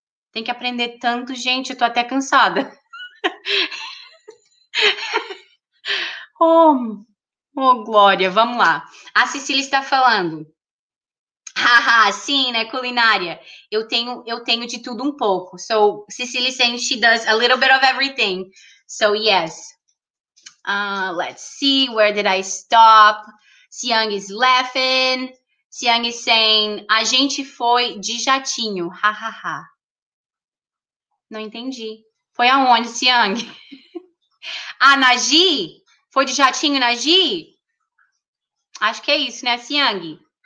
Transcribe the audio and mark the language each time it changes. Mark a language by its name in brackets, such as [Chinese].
[Portuguese] Tem que aprender tanto, gente. Eu tô até cansada. Oh, Glória. Vamos lá. A Cecília está falando. Haha, sim, né, culinária? Eu tenho de tudo um pouco. [English] So, Cecília saying she does a little bit of everything. So, yes. Let's see, where did I stop? Siang is laughing. Siang is saying, [Portuguese] a gente foi de jatinho. Ha, ha, ha. Não entendi. Foi aonde, Siang? Ah, na Ji? Foi de jatinho na Ji? Acho que é isso, né, Siang?